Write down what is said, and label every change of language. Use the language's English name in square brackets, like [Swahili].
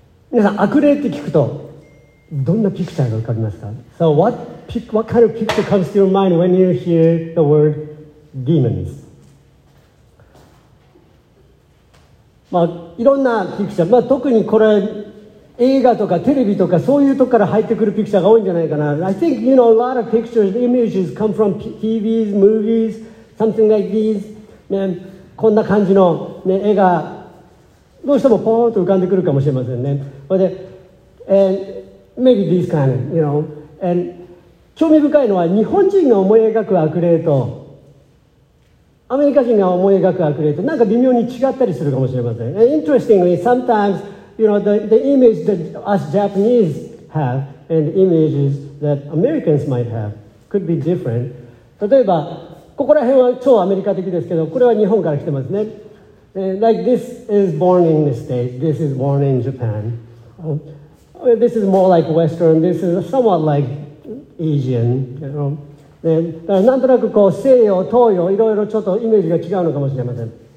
[Japanese] 皆さん、悪霊って聞くとどんなピクチャーが浮かびますか？ [English] So what kind of picture comes to your mind when you hear the word demons? [Japanese] まあ、いろんなピクチャー、まあ、特にこれ映画とかテレビとかそういうとこから入ってくるピクチャーが多いんじゃないかな。 [English] I think, you know, a lot of pictures, images come from TVs, movies, something like these、ね、こんな感じの、ね、絵がどうしてもポーンと浮かんでくるかもしれませんね。で、maybe this kind, you know. [Japanese] And 興味深いのは日本人が思い描く悪霊とアメリカ人が思い描く悪霊となんか微妙に違ったりするかもしれません。 [English] And interestingly, sometimes, you know, the image that us Japanese have and the images that Americans might have could be different. [Japanese] 例えば、ここら辺は超アメリカ的ですけど、これは日本から来てますね。 [English] Like this is born in the States, this is born in Japan. This is more like Western, this is somewhat like Asian. You know? [Japanese] だからなんとなくこう西洋、東洋、いろいろちょっとイメージが違うのかもしれません。